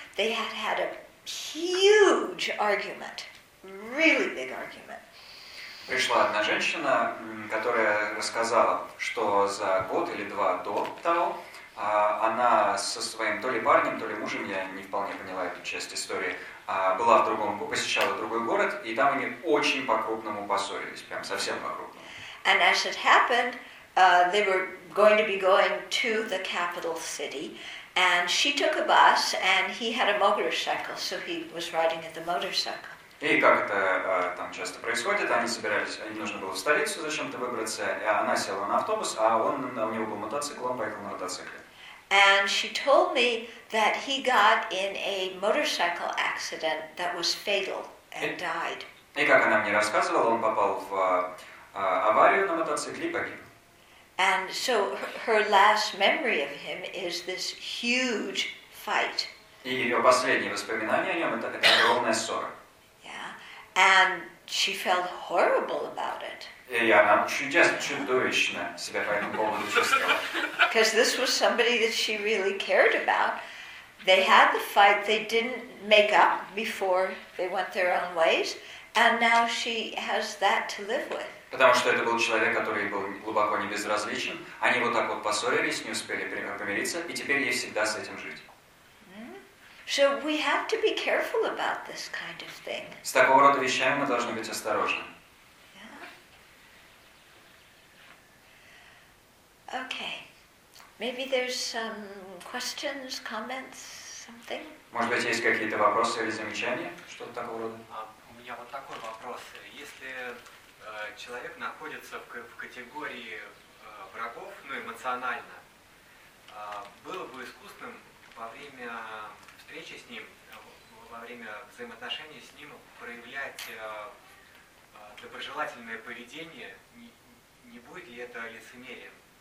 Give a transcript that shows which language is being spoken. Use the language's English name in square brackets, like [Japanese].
[English] They had had a huge argument, really big argument. [Russian] Пришла одна женщина, которая рассказала, что за год или два до того, она со своим то ли парнем, то ли мужем, я не вполне поняла эту часть истории, была в другом, посещала другой город, и там они очень по-крупному поссорились, прям совсем по-крупному. [English] And as it happened, they were going to be going to the capital city, and she took a bus, and he had a motorcycle, so he was riding at the motorcycle. [Russian] И как это там часто происходит, они собирались, им нужно было в столицу зачем-то выбраться, и она села на автобус, а он, у него был мотоцикл, он поехал на мотоцикле. [English] And she told me that he got in a motorcycle accident that was fatal and died. [Russian] И как она мне рассказывала, он попал в аварию на мотоцикле и погиб. [English] And so her last memory of him is this huge fight. [Russian] И ее последние воспоминания о нем это огромная ссора. [English] Yeah. And she felt horrible about it. [Russian] И она чудовищно себя по этому поводу чувствовала. [English] Because this was somebody that she really cared about. They had the fight, they didn't make up before they went their own ways, and now she has that to live with. [Russian] Потому что это был человек, который был глубоко не безразличен. Они вот так вот поссорились, не успели помириться, и теперь ей всегда с этим жить. Mm-hmm. [English] So we have to be careful about this kind of thing. [Russian] С такого рода вещами мы должны быть осторожны. [English] Okay. Maybe there's some questions, comments, something? [Russian] Может быть, есть какие-то вопросы или замечания? Что-то такого рода? У меня вот такой вопрос. Если человек находится в категории врагов, ну, эмоционально, было бы искусным во время встречи с ним, во время взаимоотношений с ним проявлять доброжелательное поведение, не будет ли это лицемерием?